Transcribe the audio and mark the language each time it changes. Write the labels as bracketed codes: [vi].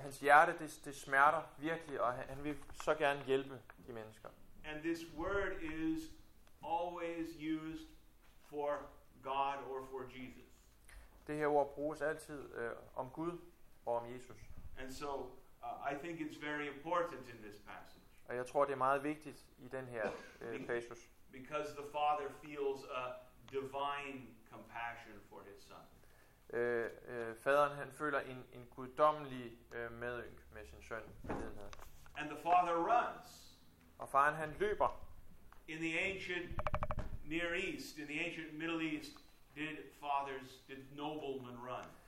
[da] Hans hjerte, det smerter virkelig, og han vil så gerne hjælpe de mennesker. [en] And this word is always used for God or for Jesus. [da] Det her ord bruges altid om Gud og om Jesus. [en] And so I think it's very important in this passage. [da] Og jeg tror det er meget vigtigt i den her passage. [en] Because the father feels a divine compassion for his son. [da] Faderen han føler en guddommelig medynk med sin søn. [en] And the father runs. [da] Og faren han løber. [en] In the ancient Near East, in the ancient Middle East, did noblemen run?